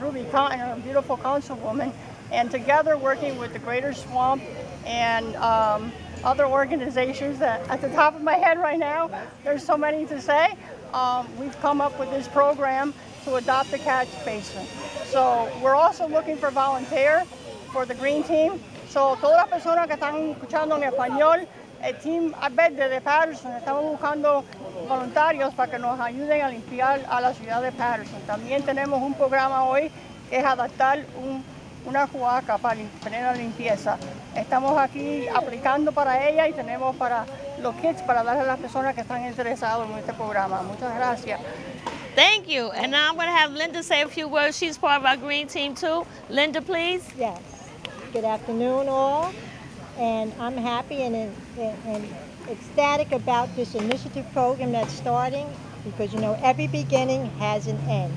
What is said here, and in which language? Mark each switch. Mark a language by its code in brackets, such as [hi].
[en] Ruby Cotton, our beautiful councilwoman, and together working with the Greater Swamp and other organizations that at the top of my head right now, there's so many to say, we've come up with this program to adopt a catch basin. So we're also looking for volunteer for the green team. [es] So toda persona que están escuchando en español, el team Abed de Patterson, estamos buscando voluntarios para que nos ayuden a limpiar a la ciudad de Patterson. También tenemos un programa hoy que es adaptar una cuaca para tener la limpieza. Estamos aquí aplicando para ella y tenemos para los kits para darle a las personas que están interesadas en este programa. Muchas gracias. [en] Thank you. And now I'm going to have Linda say a few words. She's part of our green team too. Linda, please. Yes. Good afternoon, all. And I'm happy and ecstatic about this initiative program that's starting because, you know, every beginning has an end.